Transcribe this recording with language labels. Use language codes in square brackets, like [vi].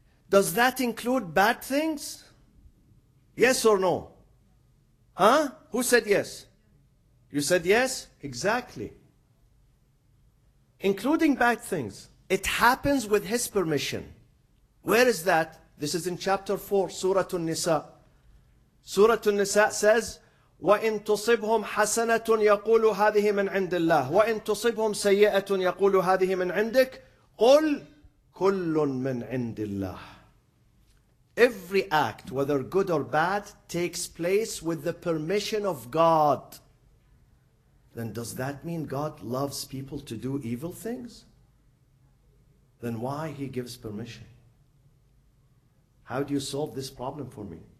[en] Does that include bad things? Yes or no? Huh? Who said yes? You said yes? Exactly. Including bad things. It happens with his permission. Where is that? This is in chapter 4, Surah An-Nisa. [ar] Surah An-Nisa [en] says, [ar] وَإِن تُصِبْهُمْ حَسَنَةٌ يَقُولُ هَذِهِ مِنْ عِنْدِ اللَّهِ وَإِن تُصِبْهُمْ سَيِّئَةٌ يَقُولُ هَذِهِ مِنْ عِنْدِكَ قُلْ كُلٌ مِنْ عِنْدِ اللَّهِ. [en] Every act, whether good or bad, takes place with the permission of God. Then does that mean God loves people to do evil things? Then why he gives permission? How do you solve this problem for me?